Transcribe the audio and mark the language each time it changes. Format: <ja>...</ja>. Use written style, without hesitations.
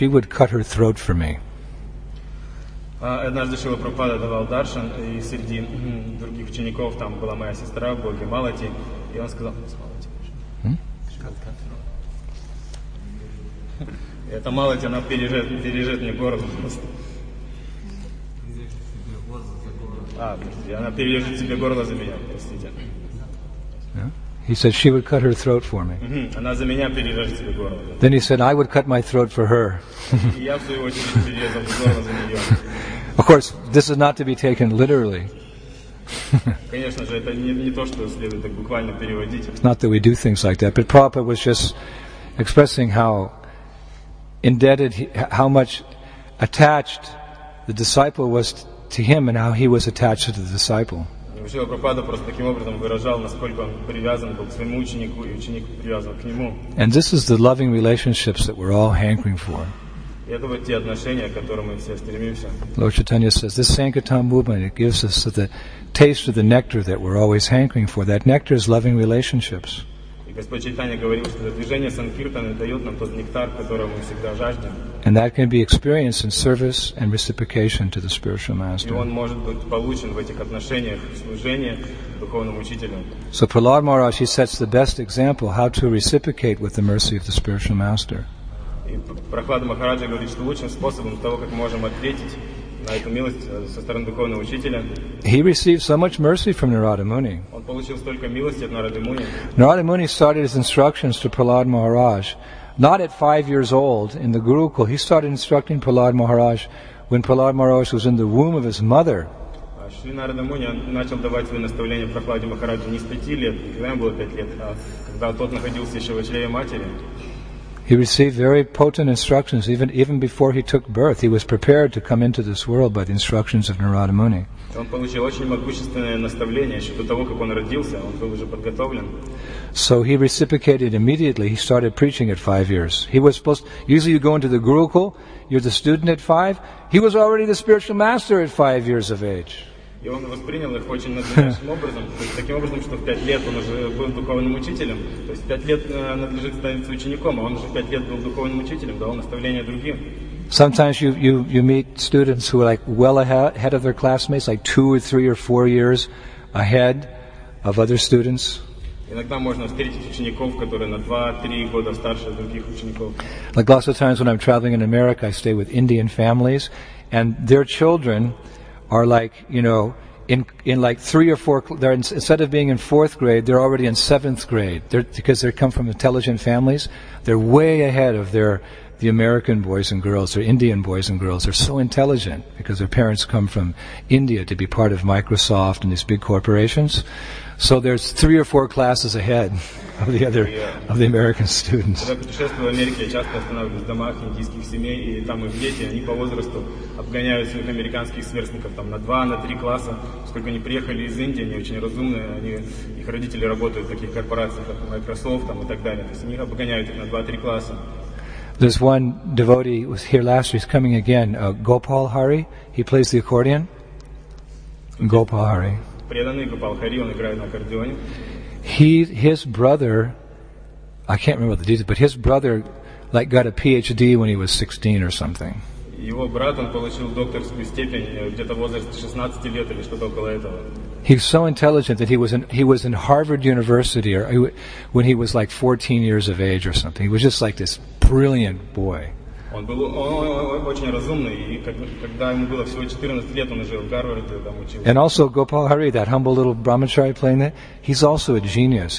<en>she would cut her throat for me.</en> <ru>Однажды Шрила Прабхупада давал даршан, и среди других учеников там была моя сестра, Боги Малати, и он сказал, это Малати, она пережет мне горло просто. Она пережет себе горло за меня, простите.</ru> <en>He said she would cut her throat for me.</en> <ru>Она за меня перережет себе горло.</ru> <en>Then he said I would cut my throat for her.</en> <ru>Я в свою очередь перерезал бы горло за нее.</ru> <en>Of course, this is not to be taken literally.</en> <ru>Конечно же, это не то, что следует так буквально переводить.</ru> <en>It's not that we do things like that, but Prabhupada was just expressing how indebted, how much attached the disciple was to him, and how he was attached to the disciple.</en> <ru>Шрила Прабхупада просто таким образом выражал, насколько он привязан был к своему ученику, и ученик привязан к нему.</ru> <en>And this is the loving relationships that we're all hankering for.</en> <ru>Это вот те отношения, к которым мы все стремимся.</ru> <en>Lord Chaitanya says, this Sankirtan movement, it gives us the taste of the nectar that we're always hankering for. That nectar is loving relationships.</en> <ru>И Господь Чайтанья говорил, что это движение Санкиртаны дает нам тот нектар, которого мы всегда жаждем.</ru> <en>And that can be experienced in service and reciprocation to the spiritual master.</en> <ru>И он может быть получен в этих отношениях, в служении духовному учителю.</ru> <en>So Prahlad Maharaj, he sets the best example how to reciprocate with the mercy of the spiritual master.</en> <ru>И Прахлада Махараджа говорит, что лучшим способом того, как можем ответить на эту милость со стороны духовного учителя.</ru> <en>He received so much mercy from Narada Muni.</en> <ru>Он получил столько милости от Нарады Муни.</ru> <en>Narada Muni started his instructions to Prahlad Maharaj not at 5 years old in the Gurukul. He started instructing Prahlad Maharaj when Prahlad Maharaj was in the womb of his mother.</en> <ru>Шри Нарада Муни начал давать свои наставления Прахладе Махараджу не с 5 лет, когда ему было 5 лет, а когда тот находился еще в чреве матери.</ru> <en>He received very potent instructions even before he took birth. He was prepared to come into this world by the instructions of Narada Muni.</en> <ru>Он получил очень могущественное наставление еще до того, как он родился. Он был уже подготовлен.</ru> <en>So he reciprocated immediately. He started preaching at 5 years. He was supposed. Usually, you go into the Gurukul. You're the student at 5. He was already the spiritual master at 5 years of age.</en> <ru>И он воспринял их очень надлежащим образом, то есть таким образом, что в 5 лет он уже был духовным учителем. То есть 5 лет надлежит становиться учеником, а он уже 5 лет был духовным учителем, давал наставления другим.</ru> <en>Sometimes you meet students who are like well ahead of their classmates, like 2 or 3 or 4 years ahead of other students.</en> <ru>Иногда можно встретить учеников, которые на 2-3 года старше других учеников.</ru> <en>Like lots of times when I'm traveling in America, I stay with Indian families, and their children are like, you know, in like 3 or 4, they're in, instead of being in 4th grade, they're already in 7th grade. They're, because they come from intelligent families, they're way ahead of the American boys and girls, or Indian boys and girls. They're so intelligent because their parents come from India to be part of Microsoft and these big corporations. So there's 3 or 4 classes ahead of the other, of the American students.</en> <ru>Когда путешествую в Америке, я часто останавливаюсь в домах индийских семей, и там их дети, они по возрасту обгоняют своих американских сверстников там, на 2, на 3 класса. Сколько они приехали из Индии, они очень разумные, они, их родители работают в таких корпорациях, как Microsoft там, и так далее. То есть они обгоняют их на 2-3 класса.</ru> <en>There's one devotee who was here last year, he's coming again, Gopal Hari. He plays the accordion. Gopal Hari.</en> <ru>Преданный Гопал Хари, он играет на аккордеоне.</ru> <en>His brother, I can't remember the details, but his brother like got a PhD when he was 16 or something.</en> <ru>Его брат, он получил докторскую степень где-то в возрасте 16 лет или что-то около этого.</ru> <en>He's so intelligent that he was in Harvard University or when he was like 14 years of age or something. He was just like this brilliant boy.</en> <ru>Он был очень разумный, и когда ему было всего 14 лет, он уже в Гарварде там учился.</ru> <en>And also Gopal Hari, that humble little brahmachari playing that, he's also a genius.</en>